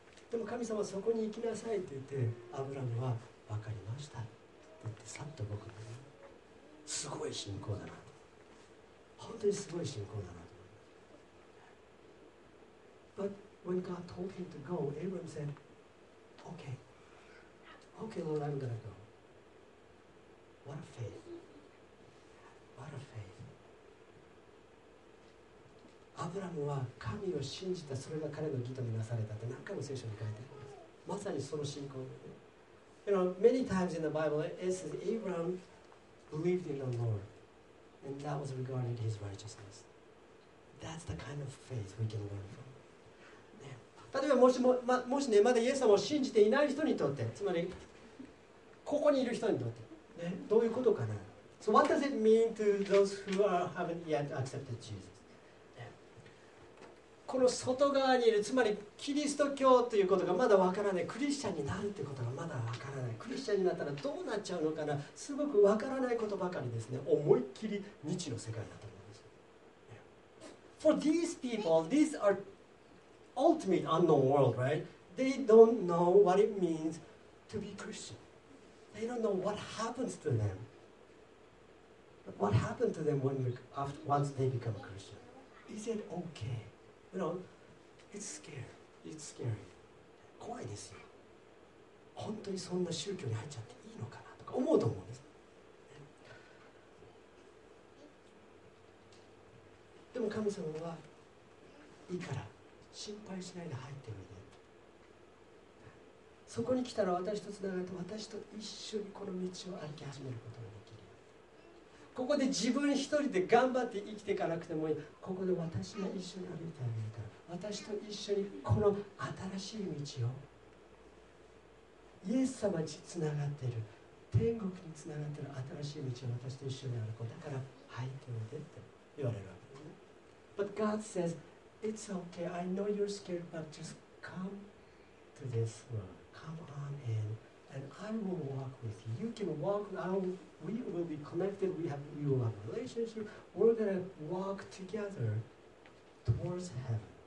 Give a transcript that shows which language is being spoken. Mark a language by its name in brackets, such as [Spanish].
[Japanese] でも神様はそこに行きなさいって言って、アブラムはわかりましたって言って、さっと僕に。すごい信仰だなと。本当にすごい信仰だなと。 [English] But when God told him to go, Abram said, Okay. Okay, Lord, I'm gonna go. What a faith. What a faith. [Japanese] アブラムは神を信じた、それが彼の義とみなされたって何回も聖書に書いてあります。まさにその信仰。 [English] You know, many times in the Bible, it says AbramBelieved in the Lord, and that was regarded his righteousness. That's the kind of faith we can learn from. [Japanese] 例えばもしね、まだイエス様を信じていない人にとって、つまりここにいる人にとって、ね、どういうことかな。 [English] So what does it mean to those who haven't yet accepted Jesus? [Japanese] この外側にいる、つまりキリスト教ということがまだわからない、クリスチャンになるということがまだわからない、クリスチャンになったらどうなっちゃうのかな、すごくわからないことばかりですね。思いっきり未知の世界だと思うんです。 [English] For these people, these are ultimate unknown world, right? They don't know what it means to be Christian. They don't know what happens to them What happened to them when once they become a Christian? Is it okay? You know, it's scary. It's scary. [Japanese] 怖いですよ。本当にそんな宗教に入っちゃっていいのかなとか思うと思うんです。でも神様はいいから心配しないで入ってみて。そこに来たら私とつながって私と一緒にこの道を歩き始めることができる。ここで自分一人で頑張って生きていかなくてもいい。ここで私が一緒に歩いてあげるから、私と一緒にこの新しい道を、イエス様につながっている、天国につながっている新しい道を私と一緒に歩こう、だから入っておいでって言われるわけですね。 [English] But God says It's okay, I know you're scared, but just come to this world. Come on in, and I will walk with you. You can walk, we will be connected, we will have a relationship. We're going to walk together towards heaven.